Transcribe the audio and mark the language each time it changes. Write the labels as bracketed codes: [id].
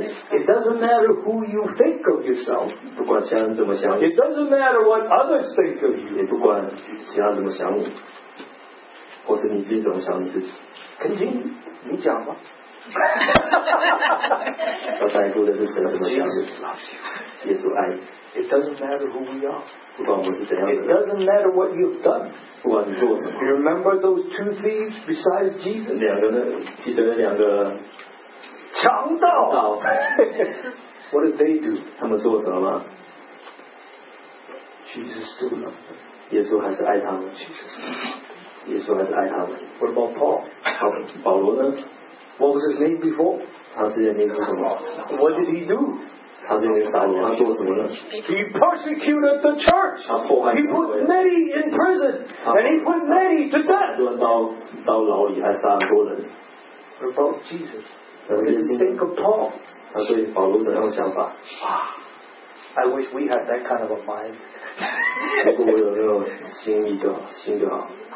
[en] It doesn't matter who you think of yourself. [zh] 不管其他人怎么想。 [en] It doesn't matter what others think of you. [zh] 也不管其他人怎么想你，或是你自己怎么想你自己。 [en] Continue. [zh] 你讲吧。要带出的是神怎么想你。耶稣爱你。 [en] It doesn't matter who we are. [zh] 不管我们是怎样的。 [en] It doesn't matter what you've done. [zh] 不管你做什么。 [en] You remember those two thieves besides Jesus? [zh] 两个呢？记得那两个。强盗。盗。 [en] What did they do? [zh] 他们做什么吗 [en] ？Jesus still loved them. [zh] 耶稣还是爱他们。 [en] Jesus. [zh] 耶稣还是爱他们。 [en] What about Paul? [zh] 保罗呢 [en] ？What was his name before? [zh] 他之前名字什么 [en] ？What did he do? [zh] 他是一个杀人，他做什么呢 [en] ？He persecuted the church. [zh] 他迫害教会。 [en] He put many in prison, and he put many to death. [zh] 他关到牢里，还杀很多人。 [en] What about Jesus? What did you think of Paul? [zh] 他对保罗怎样的想法 [en] ？I wish we had that kind of a mind. [zh] 如果我有那种心意就好，心就好。